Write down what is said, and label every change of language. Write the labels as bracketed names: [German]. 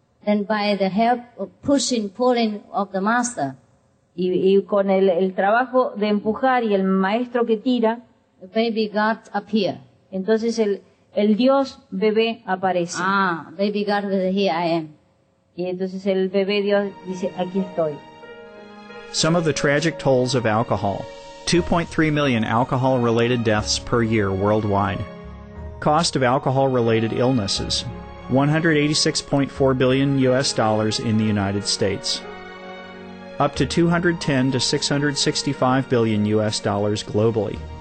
[English] Then by the help of pushing, pulling of the master. [Spanish] Y con el trabajo de empujar y el maestro que tira, [English] the baby God appear. [Spanish] Entonces el Dios bebé aparece. [English] Ah, baby God, here I am. [Spanish] Y entonces el bebé Dios dice, aquí estoy. [English] Some of the tragic tolls of alcohol. 2.3 million alcohol-related deaths per year worldwide. Cost of alcohol-related illnesses. $186.4 billion U.S. dollars in the United States. Up to 210 to 665 billion U.S. dollars globally.